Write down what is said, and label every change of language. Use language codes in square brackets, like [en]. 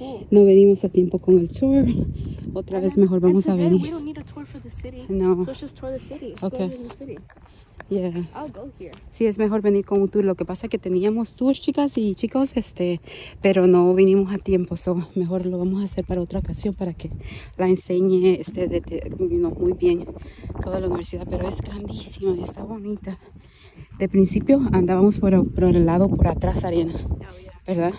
[es] No venimos a tiempo con el tour. Otra vez mejor vamos a venir. [en] We don't need a tour for the city. No. So let's just tour the city. Okay. Yeah. I'll go here. [es] Sí, es mejor venir con un tour. Lo que pasa es que teníamos tours, chicas y chicos, pero no vinimos a tiempo. So mejor lo vamos a hacer para otra ocasión para que la enseñe muy bien toda la universidad. Pero es grandísima y está bonita. De principio andábamos por el lado por atrás, Ariana. ¿Verdad?